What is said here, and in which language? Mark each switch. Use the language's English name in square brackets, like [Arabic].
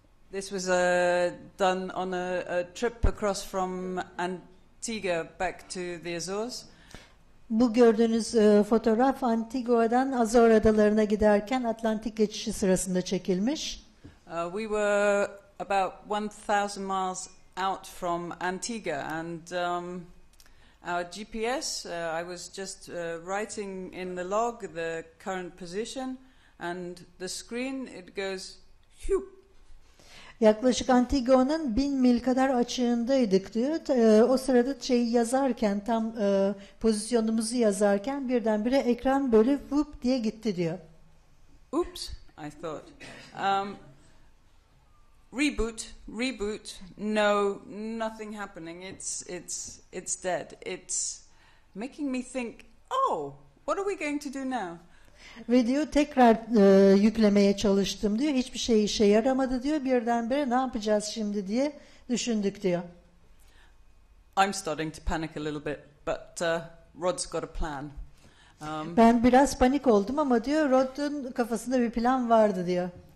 [English] This was done on a trip across from Antigua back to the Azores. [Turkish] Bu gördüğünüz fotoğraf Antigua'dan Azor adalarına giderken Atlantik geçişi sırasında çekilmiş. [English] We were about 1,000 miles out from Antigua and our GPS, I was just writing in the log the current position and the screen, it goes whew. [Turkish] Yaklaşık Antigua'nın 1,000 mil kadar açığındaydık diyor. O sırada şeyi yazarken, tam pozisyonumuzu yazarken birdenbire ekran böyle whoop diye gitti diyor. [English] Oops, I thought. Reboot. No, nothing happening. It's dead. It's making me think, oh, what are we going to do now? [Turkish] Ve diyor tekrar yüklemeye çalıştım diyor. Hiçbir şey işe yaramadı diyor. Birdenbire ne yapacağız şimdi diye düşündük diyor. [English] I'm starting to panic a little bit, but Rod's got a plan. [Turkish] Ben biraz panik oldum ama diyor Rod'un kafasında bir plan vardı diyor.